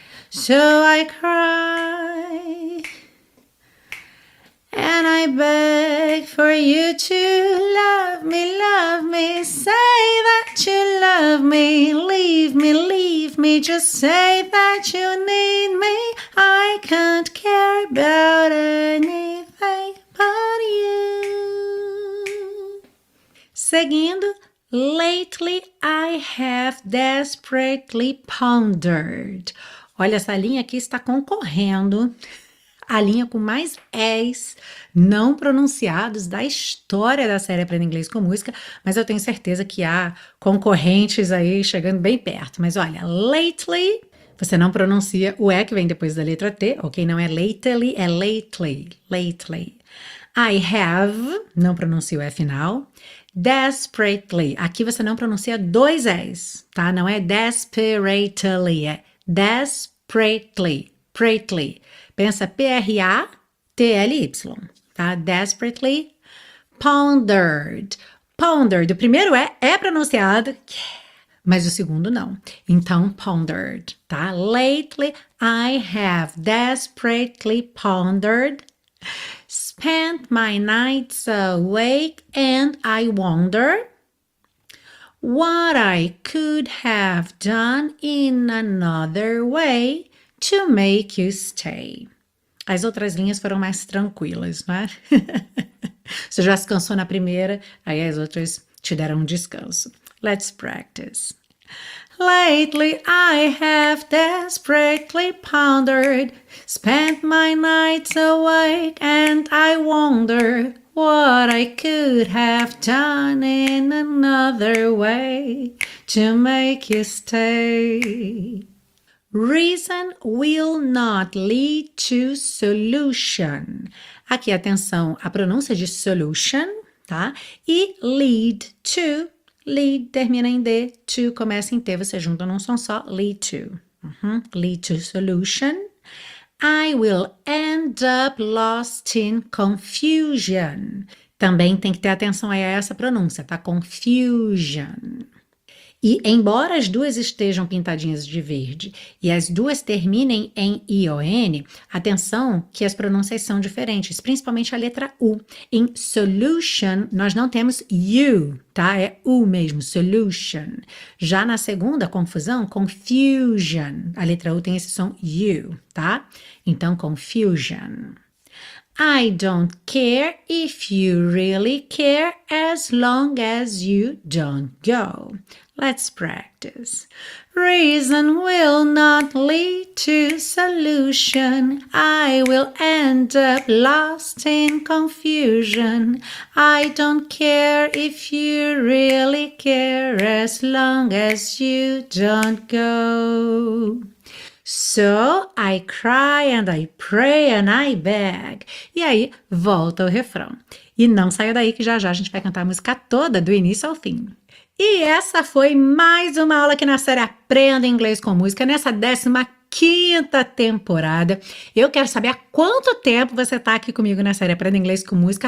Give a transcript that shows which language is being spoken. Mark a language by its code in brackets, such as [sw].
[en] So I cry and I beg for you to love me, say you love leave me, just say that you need me. I can't care about anything but you. [pt] Seguindo, [en] lately I have desperately pondered. [pt] Olha, essa linha aqui está concorrendo a linha com mais S não pronunciados da história da série Aprenda Inglês com Música, mas eu tenho certeza que há concorrentes aí chegando bem perto. Mas olha, lately, você não pronuncia o E que vem depois da letra T, ok? Não é lately, é lately, lately. I have, não pronuncia o E final. Desperately, aqui você não pronuncia dois S, tá? Não é desperately, é desperately, pratly. Pensa P-R-A-T-L-Y, tá? Desperately pondered. Pondered, o primeiro é pronunciado, mas o segundo não. Então, pondered, tá? [en] Lately, I have desperately pondered. Spent my nights awake and I wonder what I could have done in another way to make you stay. [pt] As outras linhas foram mais tranquilas, né? Você já se cansou na primeira, aí as outras te deram um descanso. [en] Let's practice. Lately I have desperately pondered, spent my nights awake, and I wonder what I could have done in another way to make you stay. Reason will not lead to solution. [pt] Aqui atenção à pronúncia de solution, tá? E lead to, lead termina em D, to começa em T, você junta num som só, lead to. [en] Lead to solution. I will end up lost in confusion. [pt] Também tem que ter atenção aí a essa pronúncia, tá? Confusion. E embora as duas estejam pintadinhas de verde e as duas terminem em ION, atenção que as pronúncias são diferentes, principalmente a letra U. Em solution, nós não temos U, tá? É U mesmo, solution. Já na segunda, confusão, confusion. A letra U tem esse som U, tá? Então, confusion. [en] I don't care if you really care as long as you don't go. Let's practice. Reason will not lead to solution. I will end up lost in confusion. I don't care if you really care as long as you don't go. So I cry and I pray and I beg. [pt] E aí volta o refrão. E não saia daí que já já a gente vai cantar a música toda do início ao fim. E essa foi mais uma aula aqui na série Aprenda Inglês com Música, nessa 15ª temporada. Eu quero saber há quanto tempo você está aqui comigo na série Aprenda Inglês com Música.